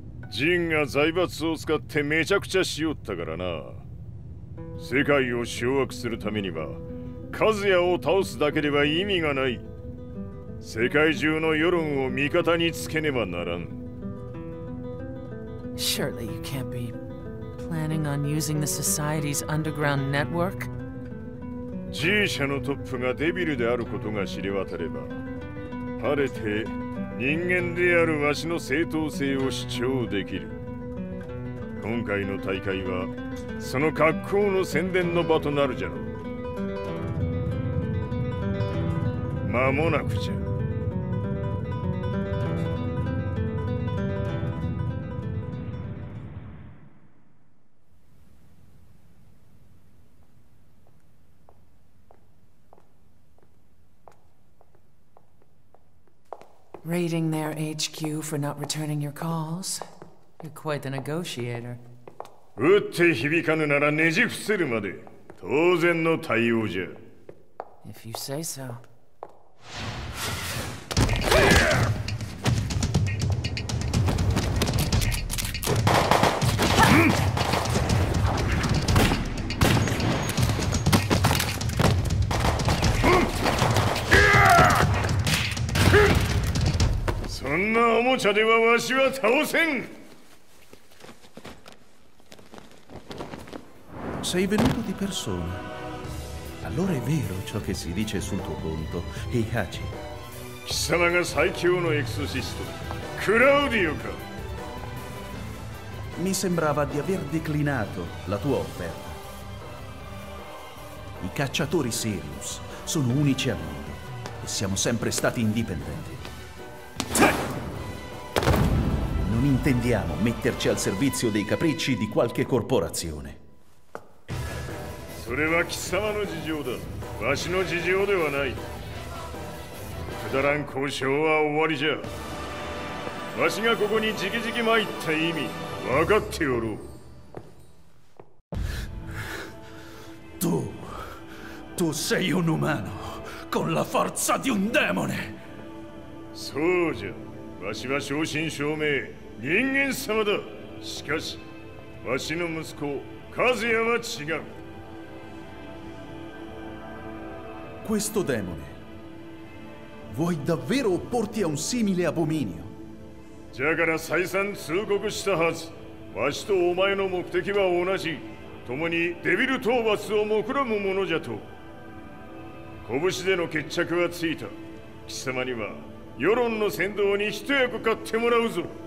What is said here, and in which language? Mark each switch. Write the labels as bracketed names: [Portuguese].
[Japanese] Jin が財閥を使ってめちゃくちゃしよったからな。世界を掌握するためには、カズヤを倒すだけでは意味がない。世界中の世論を味方につけねばならん。 [English] Surely you can't be planning on using the society's underground network? [Japanese] G 社のトップがデビルであることが知れ渡れば、晴れて人間であるわしの正当性を主張できる。今回の大会は、その格好の宣伝の場となるじゃろう。間もなくじゃ。 [English] Raiding their HQ for not returning your calls. You're quite the negotiator. [Japanese] 撃って響かぬならねじ伏せるまで当然の対応じゃ。 [English] If you say so。 [Japanese] そんなおもちゃではわしは倒せん。 [Italian] Sei venuto di persona. Allora è vero ciò che si dice sul tuo conto, Heihachi. [Japanese] 貴様が最強のエクソシスト、クラウディオか。 [Italian] Mi sembrava di aver declinato la tua offerta. I cacciatori Sirius sono unici al mondo e siamo sempre stati indipendenti. Non intendiamo metterci al servizio dei capricci di qualche corporazione. [Japanese] それは貴様の事情だ。わしの事情ではない。くだらん交渉は終わりじゃ。わしがここにじきじき参った意味、分かっておろう。 [Italian] Tu sei un umano con la forza di un demone. [Japanese] そうじゃ。わしは正真正銘。人間様だ。しかし、わしの息子、カズヤは違う。 [Italian] Questo demone、vuoi davvero opporti a un simile abominio? [Japanese] じゃから再三通告したはず。わしとお前の目的は同じ。共にデビル討伐を目論む者じゃと。拳での決着はついた。貴様には、世論の先導に一役買ってもらうぞ。